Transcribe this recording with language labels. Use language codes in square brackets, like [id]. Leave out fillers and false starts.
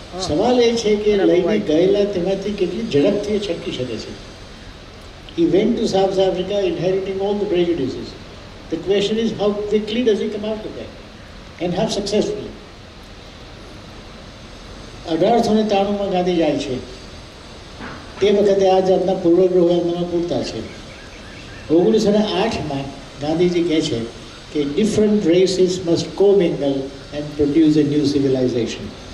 [gu] સવાલ એ છે કે લઈને ગયેલા તેમાંથી કેટલી ઝડપથી એ છટકી શકે છે? [en] He went to South Africa inheriting all the prejudices. The question is how quickly does he come out of that and how successfully. [gu] 1893 માં ગાંધી જાય છે, તે વખતે આ જાતના પૂર્વગ્રહ એમના પૂરતા છે. 1908 માં ગાંધીજી કહે છે કે [en] Different races must commingle and produce a new civilization.